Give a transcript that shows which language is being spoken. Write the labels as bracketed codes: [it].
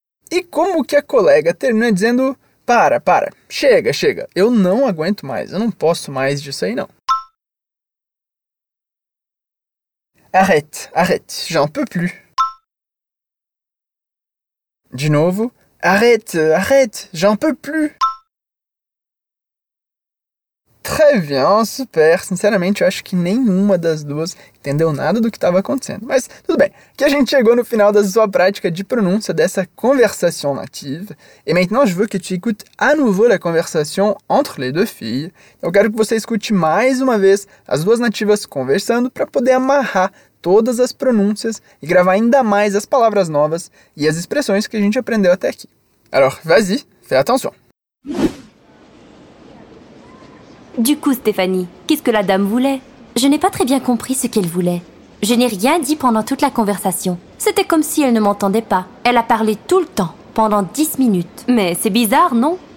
[pt] E como que a colega terminou dizendo, para, para, chega, chega, eu não aguento mais, eu não posso mais disso aí não. [fr] Arrête, arrête, j'en peux plus. [pt] De novo, [fr] arrête, arrête, j'en peux plus. Très bien, super, [pt] sinceramente eu acho que nenhuma das duas entendeu nada do que estava acontecendo. Mas tudo bem, que a gente chegou no final da sua prática de pronúncia dessa conversation native. [fr] E maintenant je veux que tu écoutes à nouveau la conversation entre les deux filles. [pt] Eu quero que você escute mais uma vez as duas nativas conversando para poder amarrar todas as pronúncias e gravar ainda mais as palavras novas e as expressões que a gente aprendeu até aqui. [fr] Alors, vas-y, fais attention. Du coup, Stéphanie, qu'est-ce que la dame voulait? Je n'ai pas très bien compris ce qu'elle voulait. Je n'ai rien dit pendant toute la conversation. C'était comme si elle ne m'entendait pas. Elle a parlé tout le temps, pendant 10 minutes. Mais c'est bizarre, non?